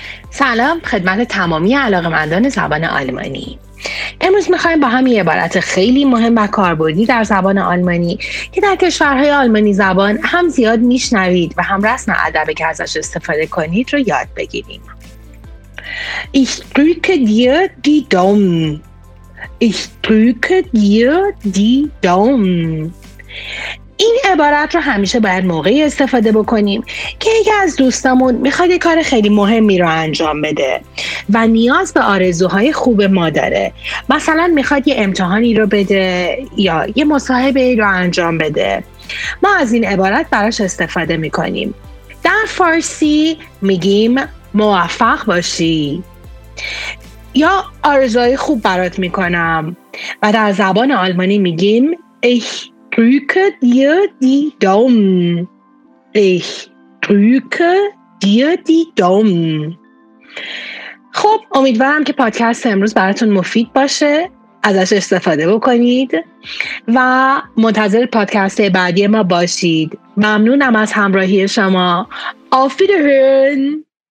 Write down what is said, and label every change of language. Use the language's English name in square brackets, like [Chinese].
[Persian] سلام خدمت تمامی علاقمندان زبان آلمانی. امروز میخواییم با هم یه عبارت خیلی مهم و کاربردی در زبان آلمانی که در کشورهای آلمانی زبان هم زیاد میشنوید و هم رسم ادبی که ازش استفاده کنید رو یاد بگیریم. [German] Ich drücke dir die Daumen. Ich drücke dir die Daumen. [Persian] این عبارت رو همیشه باید موقعی استفاده بکنیم که یکی از دوستامون میخواد یه کار خیلی مهمی رو انجام بده و نیاز به آرزوهای خوب ما داره. مثلا میخواد یه امتحانی رو بده یا یه مصاحبه ای رو انجام بده. ما از این عبارت براش استفاده میکنیم. در فارسی میگیم موفق باشی یا آرزوهای خوب برات میکنم و در زبان آلمانی میگیم [German] ich drücke dir die Daumen. Ich drücke dir die Daumen. [Persian] خب امیدوارم که پادکست امروز براتون مفید باشه، ازش استفاده بکنید و منتظر پادکست بعدی ما باشید. ممنونم از همراهی شما. [German] Auf Wiederhören.